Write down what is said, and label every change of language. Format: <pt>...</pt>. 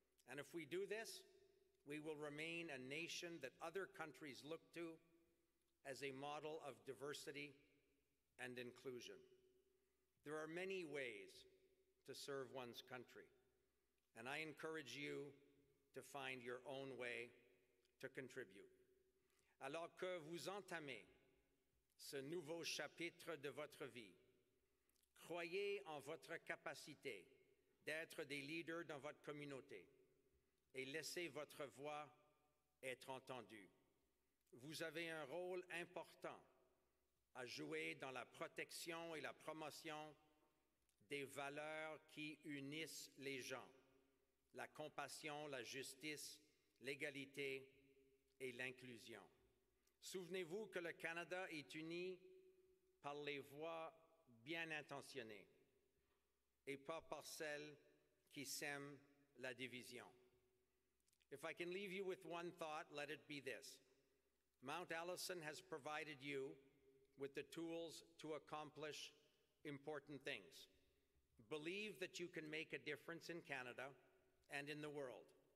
<en>And if we do this, we will remain a nation that other countries look to as a model of diversity and inclusion. There are many ways to serve one's country, and I encourage you to find your own way to contribute.</en> <fr>Alors que vous entamez ce nouveau chapitre de votre vie, croyez en votre capacité d'être des leaders dans votre communauté et laissez votre voix être entendue. Vous avez un rôle important à jouer dans la protection et la promotion des valeurs qui unissent les gens, la compassion, la justice, l'égalité et l'inclusion. Souvenez-vous que le Canada est uni par les voix bien intentionnées et pas par celles qui sèment la division.</fr> <en>If I can leave you with one thought, let it be this. Mount Allison has provided you with the tools to accomplish important things. Believe that you can make a difference in Canada and in the world.</en>